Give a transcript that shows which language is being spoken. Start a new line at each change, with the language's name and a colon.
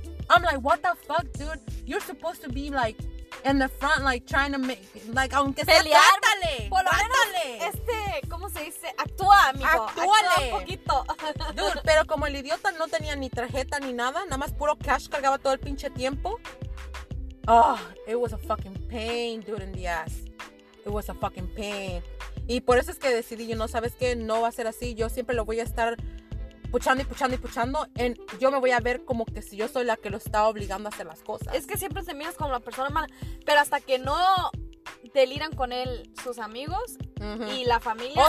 English: I'm like, what the fuck, dude? You're supposed to be like in the front, like trying to make, like,
Spanish: aunque sea, pelear. Trátale, por lo trátale. Menos este, ¿cómo se dice? Actúa, amigo. Actúale. Actúa un poquito. Dude, pero como el idiota no tenía ni tarjeta ni nada, nada más puro cash cargaba todo el pinche tiempo.
English: Oh, it was a fucking pain, dude, in the ass. It was a fucking pain.
Spanish: Y por eso es que decidí,
English: you know,
Spanish: ¿sabes qué? No va a ser así. Yo siempre lo voy a estar puchando y puchando y puchando. And yo me voy a ver como que si yo soy la que lo está obligando a hacer las cosas. Es que siempre te miras como la persona mala. Pero hasta que no deliran con él sus amigos y la familia.